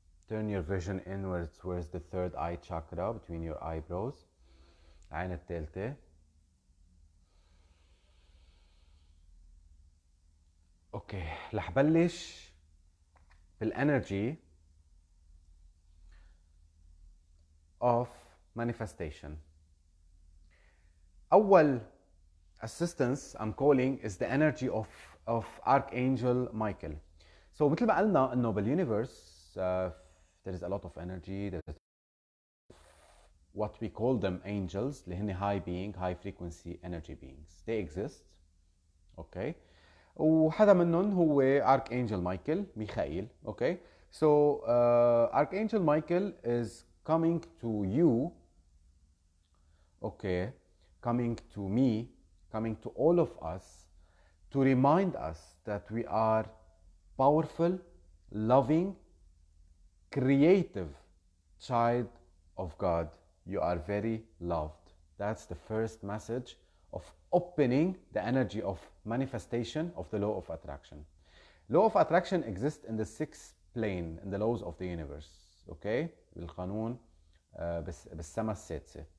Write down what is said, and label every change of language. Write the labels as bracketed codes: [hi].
[en] Turn your vision inwards towards the third eye chakra between your eyebrows. [ar] العين الثالثة اوكي رح بلش [en] بالانرجي of manifestation. [ar] اول [en] assistance I'm calling is the energy of Archangel Michael. So [ar] مثل ما قلنا انه باليونيفرس [en] there is a lot of energy, there is what we call them angels, [ar] اللي هن [en] high being, high frequency energy beings. They exist. Okay. [ar] وحدا منهم هو [en] Archangel Michael, [ar] ميخائيل. [en] Okay. So Archangel Michael is coming to you. Okay. Coming to me. Coming to all of us to remind us that we are powerful, loving, creative child of God. You are very loved. That's the first message of opening the energy of manifestation of the law of attraction. Law of attraction exists in the sixth plane, in the laws of the universe. Okay? [ar] بالقانون بالسما السادسة.